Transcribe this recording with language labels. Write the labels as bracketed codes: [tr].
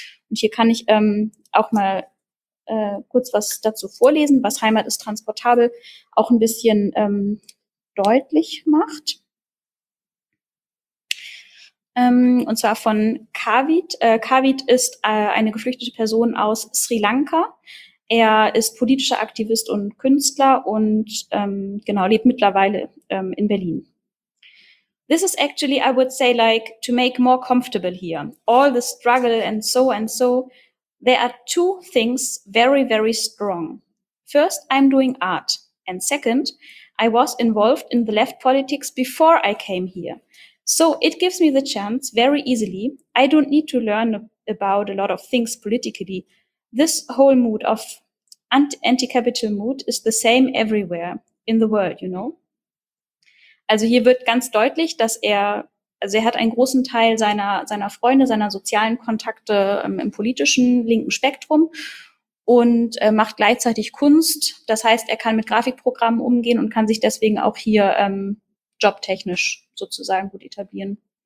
[de] Und hier kann ich auch mal kurz was dazu vorlesen, was Heimat ist transportabel auch ein bisschen deutlich macht. Und zwar von Kavit. Kavit ist eine geflüchtete Person aus Sri Lanka. Er ist politischer Aktivist und Künstler und lebt mittlerweile in Berlin. [en] This is actually, I would say, like to make more comfortable here. All the struggle and so, there are 2 things very, very strong. First, I'm doing art. And second, I was involved in the left politics before I came here. So it gives me the chance very easily. I don't need to learn about a lot of things politically. This whole mood of anti-capital mood is the same everywhere in the world, you know? [de] Also hier wird ganz deutlich, dass er, also er hat einen großen Teil seiner Freunde, seiner sozialen Kontakte im politischen linken Spektrum und macht gleichzeitig Kunst. Das heißt, er kann mit Grafikprogrammen umgehen und kann sich deswegen auch hier jobtechnisch sozusagen gut etablieren.